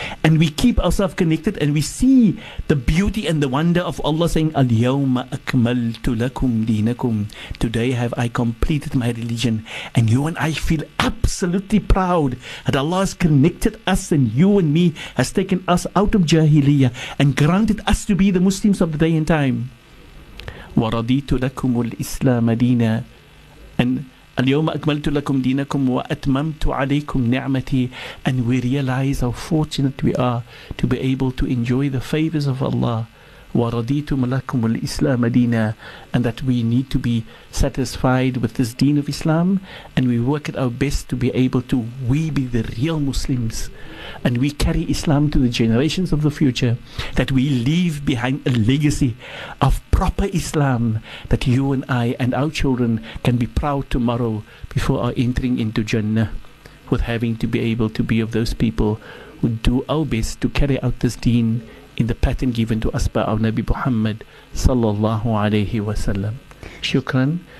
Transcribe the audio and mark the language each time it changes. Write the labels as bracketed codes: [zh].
[en] And we keep ourselves connected and we see the beauty and the wonder of Allah saying, [ar] Al-Yawma Akmaltu Lakum Deenakum. [en] Today have I completed my religion. And you and I feel absolutely proud that Allah has connected us and you and me, has taken us out of Jahiliyyah and granted us to be the Muslims of the day and time. [ar] Wa raditu lakum al-Islam deena. And اليوم أكملت لكم دينكم وأتممت عليكم نعمتي. [en] And we realize how fortunate we are to be able to enjoy the favors of Allah. [ar] ورديتم لكم الإسلام دينا. [en] And that we need to be satisfied with this deen of Islam, and we work at our best to be able to, we be the real Muslims, and we carry Islam to the generations of the future, that we leave behind a legacy of proper Islam that you and I and our children can be proud tomorrow before our entering into Jannah, with having to be able to be of those people who do our best to carry out this deen in the pattern given to us by our Nabi Muhammad sallallahu alayhi wa sallam. Shukran.